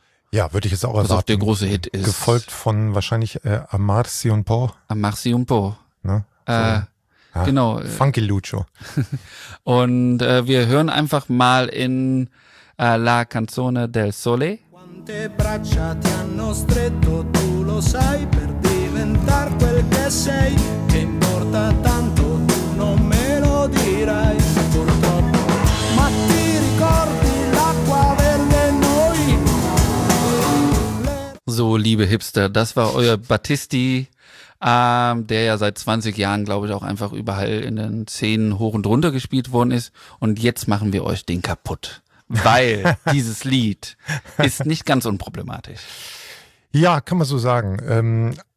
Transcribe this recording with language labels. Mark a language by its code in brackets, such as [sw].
[de] Ja, würde ich jetzt auch erwarten. Was auch der große Hit ist. Gefolgt von wahrscheinlich Amarsi un po'. [it] Amarsi un po'. [de] Ne? So. Ja, genau. Funky Lucio. Und wir hören einfach mal in La Canzone del Sole. [it] Quante braccia ti hanno stretto, tu lo sai, per diventar quel che sei, che importa tanto, tu non me lo dirai, purtroppo. Ma ti ricordi l'acqua delle noi? [de] So, liebe Hipster, das war euer Battisti. Der ja seit 20 Jahren, glaube ich, auch einfach überall in den Szenen hoch und runter gespielt worden ist. Und jetzt machen wir euch den kaputt. Weil dieses Lied ist nicht ganz unproblematisch. Ja, kann man so sagen.